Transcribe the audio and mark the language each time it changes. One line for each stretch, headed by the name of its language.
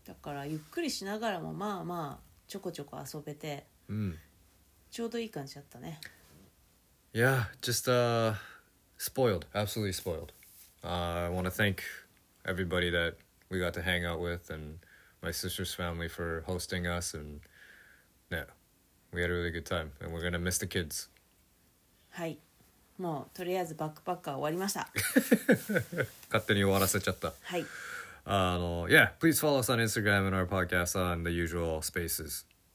Japanese: だからゆっくりしながらもまあまあちょこちょこ遊べて、うん、ちょうどいい感じだったね。
English: Yeah, just spoiled, absolutely spoiled. I want to thank everybody that we got to hang out with and my sister's family for hosting us and yeah, we had a really good time and we're gonna miss the kids.
Japanese: はい、もうとりあえずバックパッカー終わりました。勝手に終わらせちゃった。はい。
English: Yeah, please follow us on Instagram and our podcast on the usual spaces.